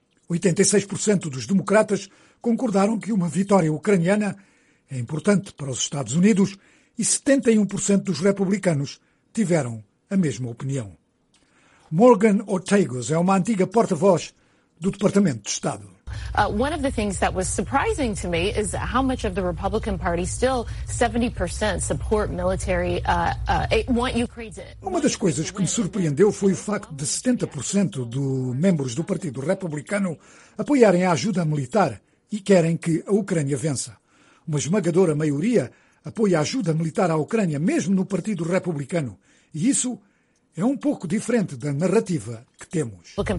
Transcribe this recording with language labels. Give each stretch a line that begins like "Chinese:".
Portuguese: 86% dos democratas concordaram que uma vitória ucraniana é importante para os Estados Unidos e 71% dos republicanos tiveram a mesma opinião. Morgan Ortegas é uma antiga porta-voz do Departamento de Estado.
English: One of the things that was surprising to me is how much of the Republican Party still 70% support military want Ukraine to.
Portuguese: Uma das coisas que me surpreendeu foi o facto de 70% dos membros do Partido Republicano apoiarem a ajuda militar e querem que a Ucrânia vença. Uma esmagadora maioria apoia a ajuda militar à Ucrânia, mesmo no Partido Republicano, e isso é um pouco diferente da narrativa que temos.